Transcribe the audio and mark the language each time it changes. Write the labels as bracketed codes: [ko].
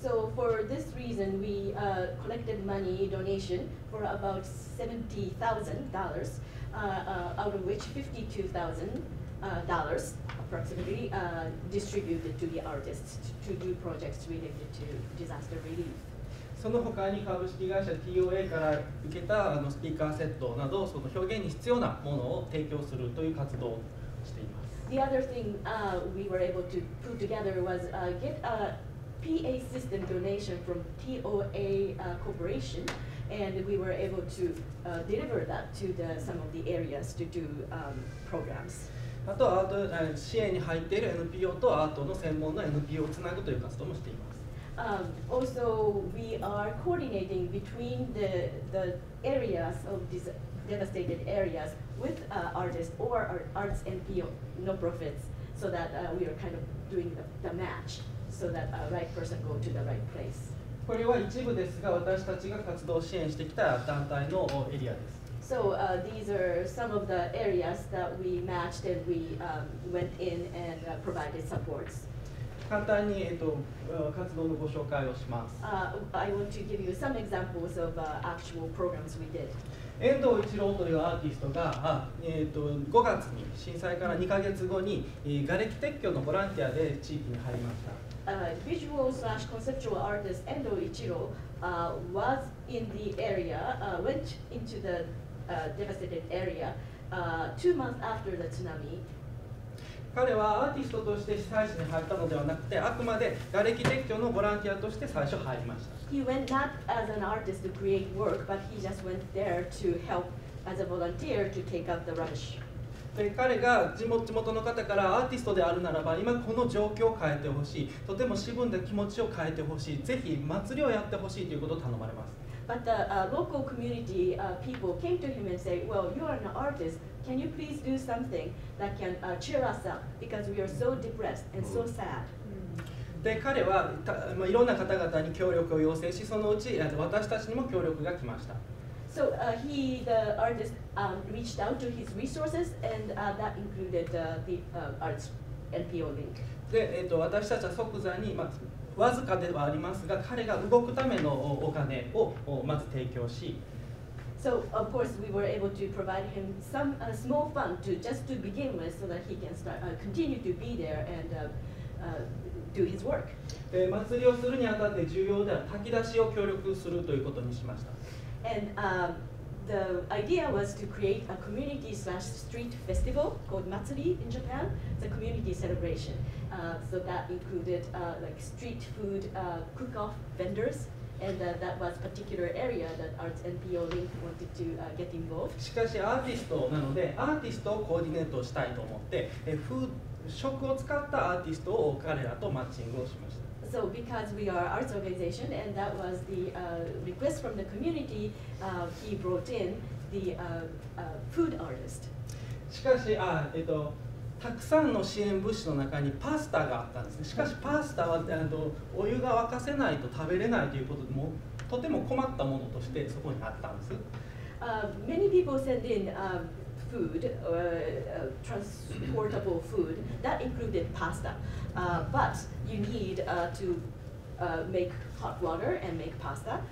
[en] So for this reason, we collected money donation for about $70,000, out of which $52,000approximately distributed to the artists to do projects related to disaster relief. [ja] その他に株式会社 TOA から受けたスピーカーセットなどその表現に必要なものを提供するという活動をしています。 [en] The other thing we were able to put together was get a PA system donation from TOA Corporation, and we were able to deliver that to some of the areas to do programs. [ja] あとアート支援に入っている NPO とアートの専門の NPO をつなぐという活動もしています。 [en] Also, we are coordinating between the areas of these devastated areas with artists or arts NPO, no profits, so that we are kind of doing the match, so that the right person go to the right place. [ja] これは一部ですが、私たちが活動を支援してきた団体のエリアです。 [en] So these are some of the areas that we matched and we went in and provided supports. [ja] 簡単に活動のご紹介をします。 [en] I want to give you some examples of actual programs we did. [ja] 遠藤一郎というアーティストが5月に震災から2ヶ月後に瓦礫撤去のボランティアで地域に入りました。 [en] Visual slash conceptual artist 遠藤一郎was in the area, went into theDevastated area, 2 months after the tsunami. [ja] 彼はアーティストとして被災地に入ったのではなくて、あくまで瓦礫撤去のボランティアとして最初入りました。 [en] He went not as an artist to create work, but he just went there to help as a volunteer to take up the rubbish. [ja] で、彼が地元の方からアーティストであるならば、今この状況を変えてほしい、とても渋んだ気持ちを変えてほしい、ぜひ祭りをやってほしいということを頼まれます。 [en] But the local community people came to him and said, well, you are an artist. Can you please do something that can cheer us up? Because we are so depressed and so sad. [ja] で、彼はいろんな方々に協力を要請し、そのうち私たちにも協力が来ました。 [en] So he, the artist, reached out to his resources and that included the arts NPO link. [ja] で、私たちは即座に、わずかではありますが、彼が動くためのお金をまず提供し、 [en] So, of course, we were able to provide him some small fund to just to begin with so that he can start, continue to be there and do his work. [ja] 祭りをするにあたって重要である炊き出しを協力するということにしました。 [en] And the idea was to create a community slash street festival called Matsuri in Japan, the community celebration. So that included like street food cook-off vendors, and that was a particular area that Arts NPO Link wanted to get involved. [ja] しかしアーティストなのでアーティストをコーディネートしたいと思って、食を使ったアーティストを彼らとマッチングをしました。 [en] So because we are arts organization and that was the request from the community, he brought in the food artist. [ja] しかし、たくさんの支援物資の中にパスタがあったんですね。しかしパスタはお湯が沸かせないと食べれないということで、もとても困ったものとしてそこにあったんです。 [en] Many people send in food, transportable food, that included pasta. But you need to make hot water and make pasta.